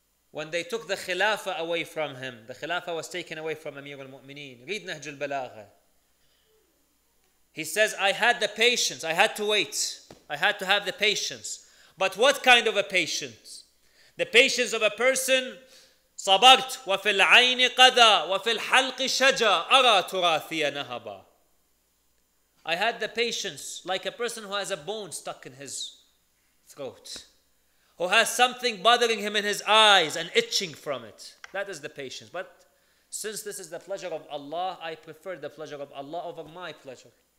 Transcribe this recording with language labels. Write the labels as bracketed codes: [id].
[en] When they took the khilafah away from him, the khilafah was taken away from Amir al-Mu'mineen. Read Nahj al-Balagha. He says, I had the patience. I had to wait. I had to have the patience. But what kind of a patience? The patience of a person, [ar] صبرت وفي العين قذى وفي الحلق شجى أرى تراثي نهبا. [en] I had the patience like a person who has a bone stuck in his throat, who has something bothering him in his eyes and itching from it. That is the patience. But since this is the pleasure of Allah, I prefer the pleasure of Allah over my pleasure.